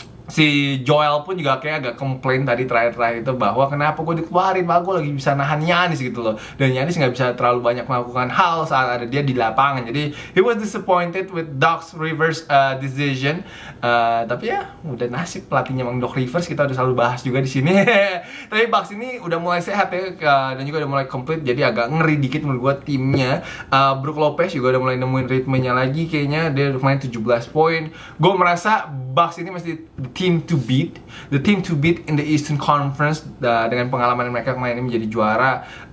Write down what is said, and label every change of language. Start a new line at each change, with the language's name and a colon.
Indonesian: Si Joel pun juga kayak agak komplain tadi terakhir-terakhir itu bahwa kenapa gue dikeluarin, bahwa gue lagi bisa nahan Giannis gitu loh. Dan Giannis gak bisa terlalu banyak melakukan hal saat ada dia di lapangan.
English: Jadi he was disappointed with Doc Rivers' decision.
Indonesian: Tapi ya udah, nasib pelatihnya emang Doc Rivers, kita udah selalu bahas juga di sini. Tapi Bucks ini udah mulai sehat ya, dan juga udah mulai complete, jadi agak ngeri dikit menurut gue timnya. Brook Lopez juga udah mulai nemuin ritmenya lagi kayaknya. Dia udah main 17 poin. Gue merasa Bucks ini masih
English: the team to beat in the Eastern Conference,
Indonesian: dengan pengalaman mereka kemarin ini menjadi juara.